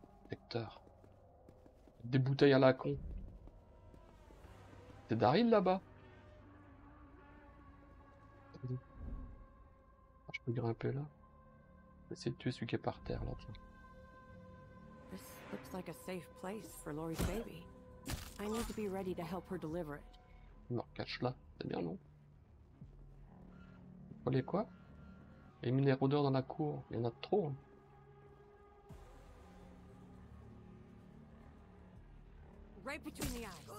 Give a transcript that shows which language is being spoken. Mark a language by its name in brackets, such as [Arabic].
[French] Hector. Des bouteilles à la con. C'est Daryl là-bas. Je peux grimper là. Essayer de tuer celui qui est par terre là, tiens. [English] This looks like a safe place for Lori's baby. I need to be ready to help her deliver it. [French] Non, cache là, c'est bien non? Les quoi? Il y a mis les rôdeurs dans la cour, il y en a trop. Hein. [English] Right between the eyes.